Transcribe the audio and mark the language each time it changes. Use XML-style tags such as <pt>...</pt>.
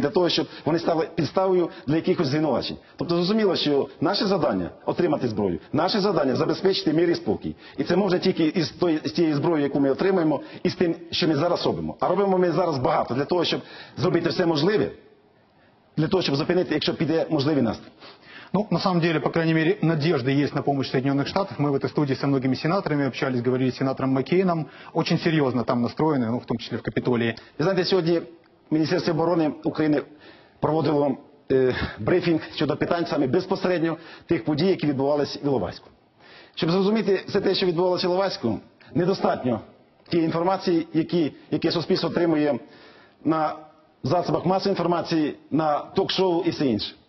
<uk>Для того, щоб вони стали підставою для якихось звинувачень. Тобто зрозуміло, що наше завдання – отримати зброю. Наше завдання – забезпечити мир і спокій. І це можна тільки з тієї зброї, яку ми отримаємо, і з тим, що ми зараз робимо. А робимо ми зараз багато для того, щоб зробити все можливе, для того, щоб зупинити, якщо піде можливий наступ.</uk> <ru>Ну, на самом деле, по крайней мере, надежды есть на помощь Соединенных Штатов. Мы в этой студии со многими сенаторами общались, говорили с сенатором Маккейном. Очень серьезно там настроены, ну, в том числе в Капитолии. Вы знаете, сегодня Министерство обороны Украины проводило брифинг</ru> <uk>щодо питань саме безпосередньо тих подій, які відбувались в Іловайську. Щоб зрозуміти все те, що відбувалося в Іловайську, недостатньо тієї інформації, яке суспільство отримує на засобах масової інформації, на ток-шоу і все інше.</uk>